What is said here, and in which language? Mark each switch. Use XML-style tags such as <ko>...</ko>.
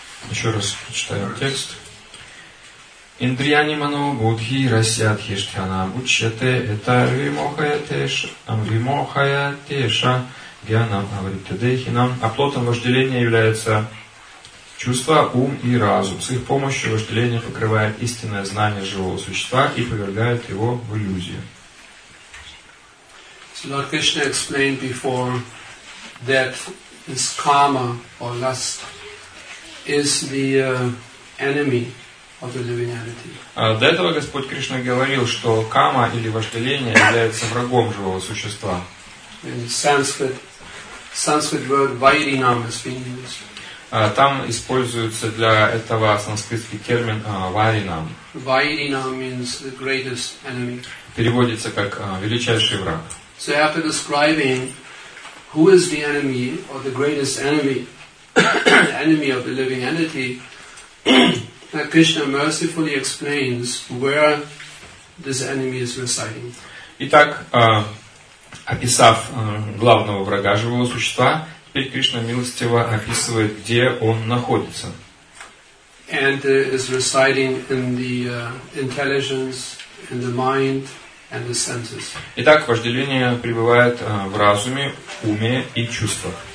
<ru>Еще раз прочитаем текст.</ru> <sa>Индрияни мано будхи расядхи штхана бучьяте это вимохая теша гьянам аваритя дехинам.</sa> <ru>Оплотом вожделения являются чувства, ум и разум. С их помощью вожделение покрывает истинное знание живого существа и повергает его в иллюзию.</ru> <en>So Lord Krishna explained before that this karma or lust is the enemy of the divinity.</en> <ru>До этого Господь Кришна говорил, что кама или вожделение является врагом живого существа.</ru> <en>In Sanskrit word vairinam has been used.</en> <ru>Там используется для этого санскритский термин vairinam.</ru> <en>Vairinam means the greatest enemy.</en> <ru>Переводится как величайший враг.</ru> <en>So after describing who is the enemy or the greatest enemy, the enemy of the living entity, that Krishna mercifully explains where this enemy is residing.</en> <ru>Итак, описав главного врага живого существа, теперь Кришна милостиво описывает, где он находится.</ru> <en>And is residing in the intelligence, in the mind, and the senses.</en> <ru>Итак, вожделение пребывает в разуме, уме и чувствах.</ru>